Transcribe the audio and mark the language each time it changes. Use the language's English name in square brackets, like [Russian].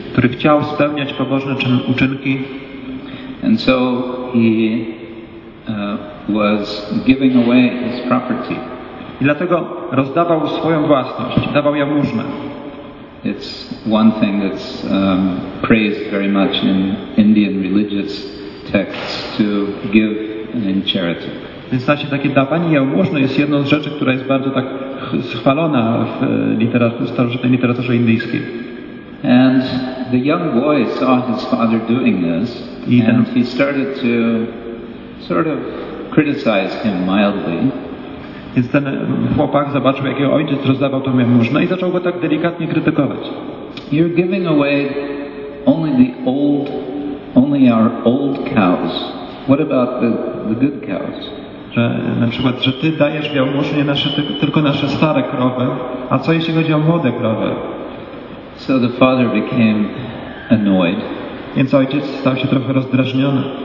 [Polish] Który chciał spełniać pobożne uczynki. [English] And so he was giving away his property. [Polish] I dlatego rozdawał swoją własność, dawał jałmużnę. [English] It's one thing that's praised very much in Indian religious texts to give in charity. [Polish] Więc właśnie takie dawanie jałmużny jest jedną z rzeczy, która jest bardzo tak chwalona w starożytnej literaturze indyjskiej. [English] And the young boy saw his father doing this, and he started to sort of criticize him mildly. [Polish] Więc ten chłopak zobaczył, jak jego ojciec rozdawał tą jałmużnę i zaczął go tak delikatnie krytykować. [English] You're giving away only the old, only our old cows. What about the good cows? [Polish] Że na przykład, że ty dajesz jałmużnę tylko nasze stare krowy, a co jeśli chodzi o młode krowy? [English] So the father became annoyed. [Polish] Więc ojciec stał się trochę rozdrażniony.